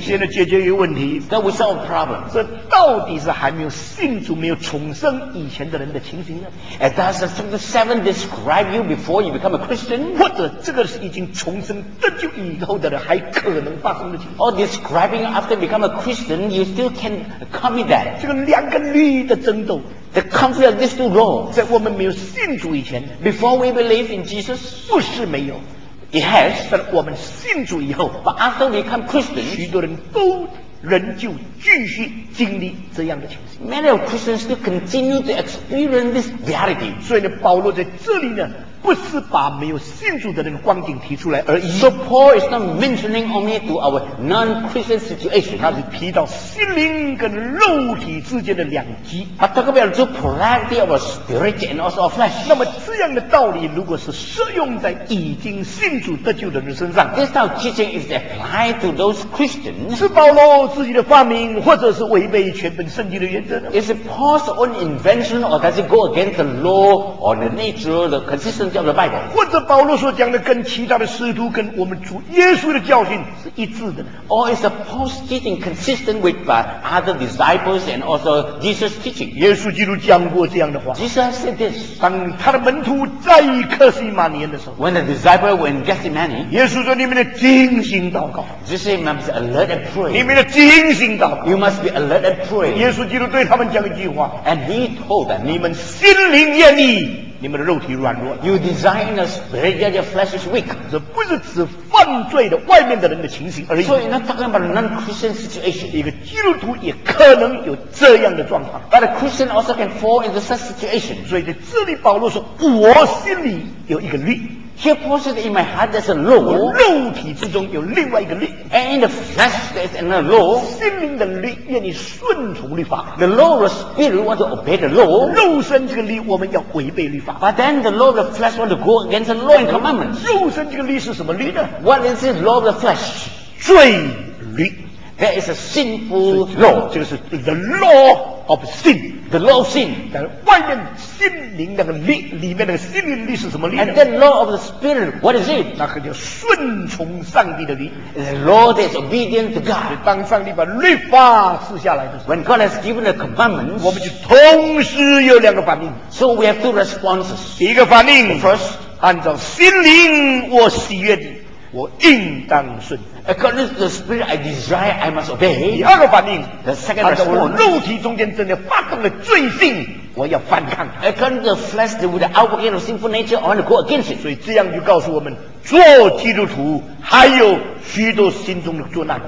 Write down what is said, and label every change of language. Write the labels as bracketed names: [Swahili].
[Chinese] 现在解决一个问题。 [English] That we solve problems. [Chinese] 这到底是还没有信主、没有重生以前的人的情形呢？ [English] And does chapter 7 describe you before you become a Christian? [Chinese] 或者这个是已经重生得救以后的人还可能发生的情况？ [English] Or describing after become a Christian, you still can commit that. [Chinese] 这个两个律的争斗。 [English] The conflict of these two laws, [Chinese] 在我们没有信主以前 [English] before we believe in Jesus, [Chinese] 不是没有 [English] it has, [Chinese] 但我们信主以后 [English] but after we become Christians, [Chinese] 许多人都仍旧继续经历这样的情形 [English] many of Christians still continue to experience this reality. [Chinese] 所以呢，保罗在这里呢不是把没有信主的那个光景提出来而已。 [English] So Paul is not mentioning only to our non-Christian situation. [Chinese] 他是提到心灵跟肉体之间的两极。他 [English] talk about the polarity of our spirit and also our flesh. [Chinese] 那么这样的道理如果是适用在已经信主得救的人身上 [English] ，This type of teaching is applied to those Christians. [Chinese] 是保罗自己的发明，或者是违背全本圣经的原则呢 [English] ？Is it Paul's own invention, or does it go against the law or the nature of the consistent? [Chinese] 或者保罗所讲的跟其他的使徒跟我们主耶稣的教训是一致的 [English] Or is the Paul's teaching consistent with other disciples and also Jesus' teaching? [Chinese] 耶稣基督讲过这样的话 [English] Jesus said this [Chinese] 当他的门徒在克西马尼的时候 [English] When the disciples were in Gethsemane [Chinese] 耶稣说你们要警醒祷告 [English] Jesus said you must be alert and pray [Chinese] 你们要警醒祷告 [English] You must be alert and pray [Chinese] 耶稣基督对他们讲一句话 [English] And he told them [Chinese] 你们心灵愿意你们的肉体软弱了。 [English] You design a spirit, yet your flesh is weak. [Chinese] 这不是指犯罪的外面的人的情形而已。 [English] So you're not talking about non-Christian situation. [Chinese] 一个基督徒也可能有这样的状况。 [English] But a Christian also can fall into such situation. [Chinese] 所以在这里保罗说，我心里有一个律。 [English] Here Paul said in my heart there's a law. [Chinese] 我肉体之中有另外一个律。 [English] And in the flesh there's another law. [Chinese] 心灵的律愿意顺从律法。 [English] The law of spirit wants to obey the law. [Chinese] 肉身这个律我们要违背律法。 [English] But then the law of the flesh wants to go against the law and commandments. [Chinese] 肉身这个律是什么律呢 [English] ？What is this law of the flesh? [Chinese] 罪律。 [English] There is a sinful law. [Chinese] 这个是 [English] the law of sin. The law of sin. [Chinese] 但外面心灵那个力，里面那个心灵力是什么力 [English] ？And the law of the spirit. What is it? [Chinese] 那个叫顺从上帝的力。 [English] The law that is obedient to God. [Chinese] 当上帝把律法赐下来的时候 [English] ，When God has given the commandments, [Chinese] 我们就同时有两个反应。 [English] So we have two responses. [Chinese] 第一个反应 [English] ，First， [Chinese] 按照心灵我喜悦的，我应当顺。 [English] According to the spirit I desire, I must obey. [Chinese] 第二个反应 [English] ，The second response， [Chinese] 按照我肉体中间正在发动的罪性，我要反抗。 [English] According to the flesh, with the outworking of sinful nature, I want to go against it. [Chinese] 所以这样就告诉我们，做基督徒还有许多心中的作难。